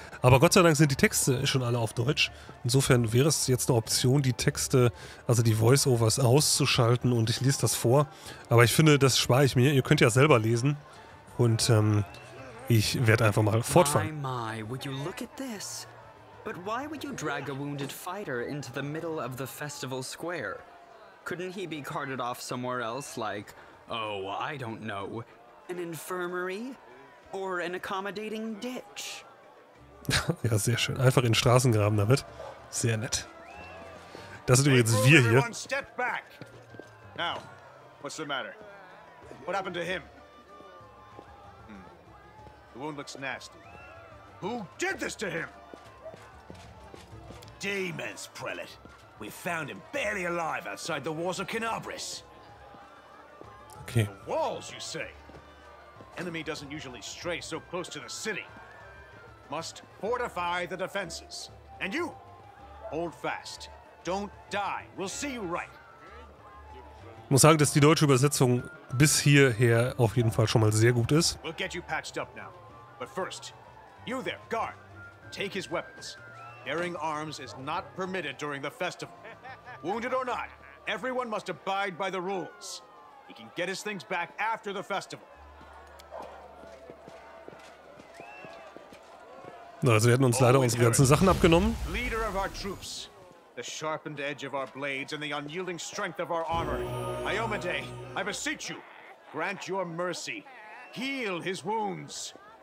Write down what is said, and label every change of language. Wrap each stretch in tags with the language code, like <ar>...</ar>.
<de>Aber Gott sei Dank sind die Texte schon alle auf Deutsch. Insofern wäre es jetzt eine Option, die Texte, also die Voiceovers auszuschalten und ich lese das vor. Aber ich finde, das spare ich mir. Ihr könnt ja selber lesen und ich werde einfach mal fortfahren.</de> <en>My, would you look at this? But why would you drag a wounded fighter into the middle of the festival square? Couldn't he be carted off somewhere else, like, oh, I don't know, an infirmary or an accommodating ditch?</en> <de>Ja, sehr schön. Einfach in den Straßengraben damit. Sehr nett. Das sind übrigens wir hier.</de> <en>Step back. Now, what's the matter? What happened to him? The wound looks nasty. Who did this to him? Demons, prelate. We found him barely alive outside the walls of Canabris. Okay. The walls, you say? Enemy doesn't usually stray so close to the city. Must fortify the defenses. And you, hold fast. Don't die. We'll see you right.</en> <de>Ich muss sagen, dass die deutsche Übersetzung bis hierher auf jeden Fall schon mal sehr gut ist.</de> <en>We'll get you patched up now. But first, you there, guard, take his weapons. Bearing arms is not permitted during the festival. Wounded or not, everyone must abide by the rules. He can get his things back after the festival.</en> <de>Also, wir hätten uns leider unsere ganzen Sachen abgenommen.</de> <en>Leader of our troops, the sharpened edge of our blades and the unyielding strength of our armor. Iomede, I beseech you, grant your mercy. Heal his wounds.</en>